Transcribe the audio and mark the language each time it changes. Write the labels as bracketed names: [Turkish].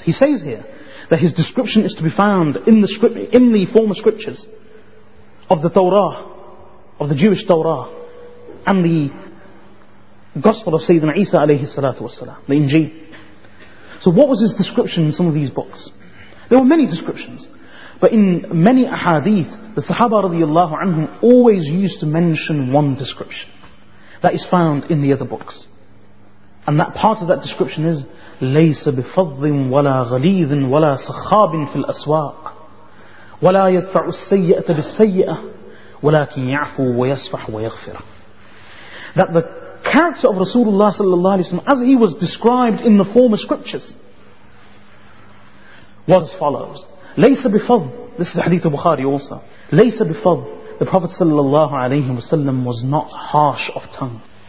[English] He says here that his description is to be found in the former scriptures of the Tawrah, of the Jewish Tawrah, and the Gospel of Sayyidina Isa alayhi salatu wasalam, the Injil. So what was his description in some of these books? There were many descriptions. But in many ahadith, the Sahaba radiallahu anhum always used to mention one description that is found in the other books. And that part of that description is, [Arabic] لَيْسَ بِفَضٍ وَلَا غَلِيذٍ وَلَا سَخَّابٍ فِي الْأَسْوَاقِ وَلَا يَدْفَعُ السَّيِّئَةَ بِالسَّيِّئَةِ وَلَكِنْ يَعْفُو وَيَصْفَحُ وَيَغْفِرَ. [English] That the character of Rasulullah sallallahu alayhi wa sallam, as he was described in the former scriptures, was as follows. [Arabic] لَيْسَ بِفَضٍ, [English] this is hadith of Bukhari also, لَيْسَ بِفَضٍ, the Prophet sallallahu alayhi wa sallam was not harsh of tongue.